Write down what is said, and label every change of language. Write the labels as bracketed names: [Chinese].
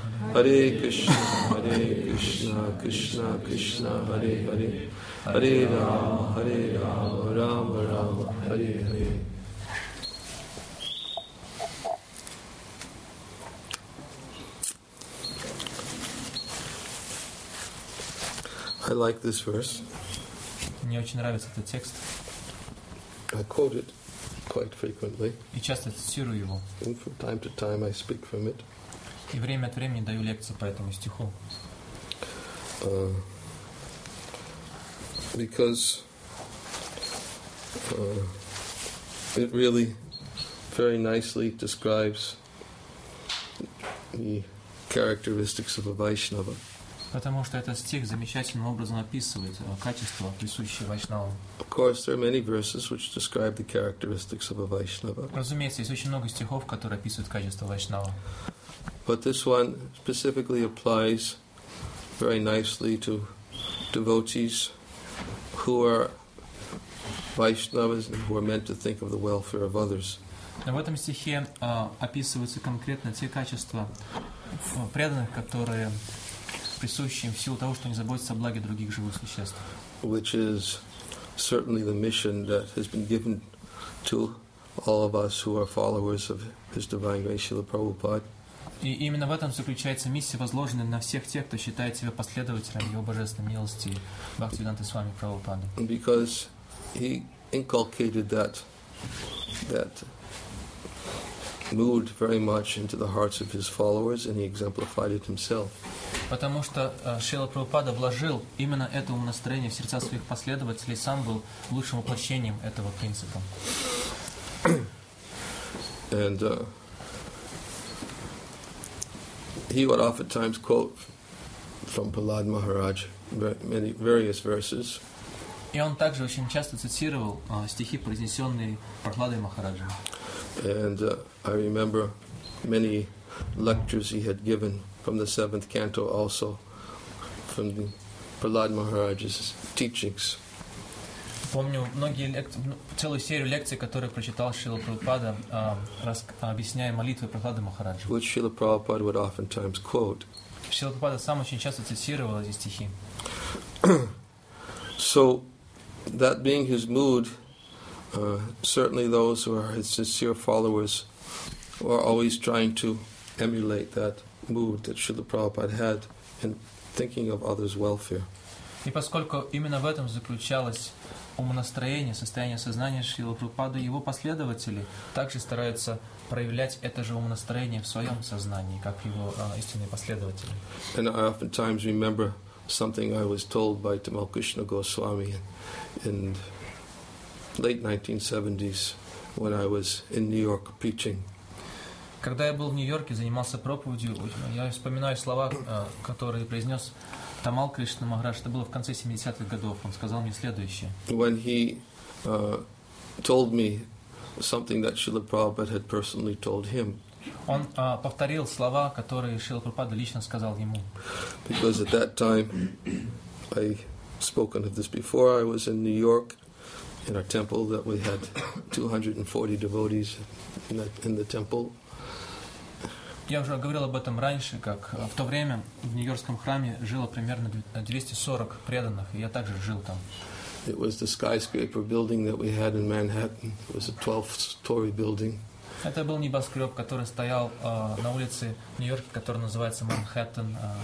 [Sanskrit] Hare Krishna, Hare Krishna, Krishna Krishna, Hare Hare, Hare Rama, Rama Rama, Hare Hare. [English] I like this verse. [Russian] Мне очень нравится этот текст. [English] I quote it quite frequently. [Russian] И часто цитирую его. [English] And from time to time I speak from it. [Russian] И время от времени даю лекции по этому стиху. [English] Because it really very nicely describes the characteristics of a Vaishnava. [Russian] Потому что этот стих замечательным образом описывает качества, присущие вайшнавам. [English] Of course, there are many verses which describe the characteristics of a Vaishnava. [Russian] Разумеется, есть очень много стихов, которые описывают качества вайшнава. [English] But this one specifically applies very nicely to devotees who are Vaishnavas and who are meant to think of the welfare of others. [Russian] В этом стихе описываются конкретно те качества преданных, которые присущим в силу того, что они заботятся о благе других живых существ. [English] Which is certainly the mission that has been given to all of us who are followers of His Divine Grace Srila Prabhupada. [Russian] И именно в этом заключается миссия, возложенная на всех тех, кто считает себя последователем Его Божественной Милости, Бхактивиданты Свами Прабхупады. [English] Because He inculcated that mood very much into the hearts of His followers, and He exemplified it Himself. [Russian] Потому что Шрила Прабхупада вложил именно это настроение в сердца своих последователей, сам был лучшим воплощением этого принципа. [English] And he would oftentimes quote from Prahlad Maharaj many various verses. [Russian] И он также очень часто цитировал стихи, произнесенные Прахладой Махараджем. [English] And I remember many lectures he had given from the seventh canto, also from the Prahlad Maharaj's teachings. [Russian] Помню многие целую серию лекций, которые прочитал Шрила Прабхупада, объясняя молитвы Прахлады Махараджа. [English] Which Шрила Прабхупада would oftentimes quote. [Russian] Шрила Прабхупада сам очень часто цитировал эти стихи. [English] So, that being his mood, certainly those who are his sincere followers are always trying to emulate that mood that Srila Prabhupada had in thinking of others' welfare. [Russian] И поскольку именно в этом заключалось умонастроение, состояние сознания Шрилы Прабхупады, его последователи также стараются проявлять это же умонастроение в своем сознании, как его истинные последователи. [English] And I oftentimes remember something I was told by Tamal Krishna Goswami in late 1970s when I was in New York preaching. [Russian] Когда я был в Нью-Йорке, занимался проповедью, я вспоминаю слова, которые произнес Тамал Кришна Махарадж. Это было в конце 70-х годов. Он сказал мне следующее. [English] When he told me something that Srila Prabhupada had personally told him. [Russian] Он повторил слова, которые Шрила Прабхупада лично сказал ему. [English] Because at that time, I spoken of this before, I was in New York. In our temple, that we had 240 devotees in the temple. [Russian] Я уже говорил об этом раньше, как в то время в Нью-Йоркском храме жило примерно 240 преданных, и я также жил там. [English] It was the skyscraper building that we had in Manhattan. It was a 12-story building. [Russian] Это был небоскреб, который стоял на улице Нью-Йорка, который называется Манхэттен.